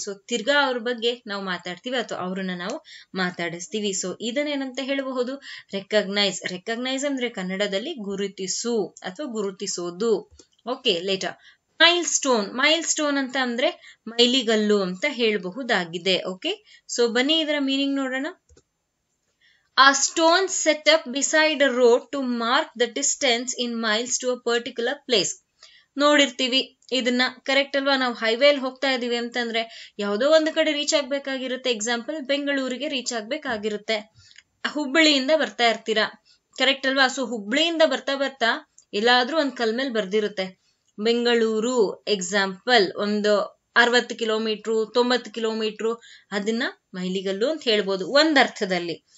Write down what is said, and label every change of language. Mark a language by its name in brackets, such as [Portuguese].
[Kannada] So ತಿರ್ಗಾ ಅವ್ರ ಬಗ್ಗೆ ನಾವು ಮಾತಾಡ್ತೀವಿ ಅಥವಾ ಅವ್ರನ್ನ ನಾವು ಮಾತಾಡಿಸ್ತೀವಿ. ಸೊ ಇದನ್ನೇನಂತ ಹೇಳಬಹುದು, ರೆಕಗ್ನೈಸ್. ರೆಕಗ್ನೈಸ್ ಅಂದ್ರೆ ಕನ್ನಡದಲ್ಲಿ ಗುರುತಿಸು ಅಥವಾ ಗುರುತಿಸೋದು. Okay, litre mile stone. Mile stone ಅಂತ ಅಂದ್ರೆ ಮೈಲಿಗಲ್ಲು ಅಂತ ಹೇಳಬಹುದಾಗಿದೆ. ಓಕೆ, ಸೊ ಬನ್ನಿ ಇದರ ಮೀನಿಂಗ್ ನೋಡೋಣ. [English] A stone set up beside a road to mark the distance in miles to a particular place. [Kannada] ನೋಡಿರ್ತೀವಿ ಇದನ್ನ, ಕರೆಕ್ಟ್ ಅಲ್ವಾ? ನಾವು ಹೈವೇಲಿ ಹೋಗ್ತಾ ಇದೀವಿ ಅಂತಂದ್ರೆ ಯಾವುದೋ ಒಂದು ಕಡೆ ರೀಚ್ ಆಗ್ಬೇಕಾಗಿರುತ್ತೆ, ಎಕ್ಸಾಂಪಲ್ ಬೆಂಗಳೂರಿಗೆ ರೀಚ್ ಆಗ್ಬೇಕಾಗಿರುತ್ತೆ, ಹುಬ್ಬಳ್ಳಿಯಿಂದ ಬರ್ತಾ ಇರ್ತೀರಾ, ಕರೆಕ್ಟ್ ಅಲ್ವಾ? ಸೊ ಹುಬ್ಳಿಯಿಂದ ಬರ್ತಾ ಬರ್ತಾ ಎಲ್ಲಾದ್ರೂ ಒಂದ್ ಕಲ್ ಮೇಲೆ ಬರ್ದಿರುತ್ತೆ, ಬೆಂಗಳೂರು ಎಕ್ಸಾಂಪಲ್ ಒಂದು 60 ಕಿಲೋಮೀಟರ್, 90 ಕಿಲೋಮೀಟರ್, ಅದನ್ನ ಮೈಲಿಗಲ್ಲು ಅಂತ ಹೇಳ್ಬೋದು ಒಂದರ್ಥದಲ್ಲಿ.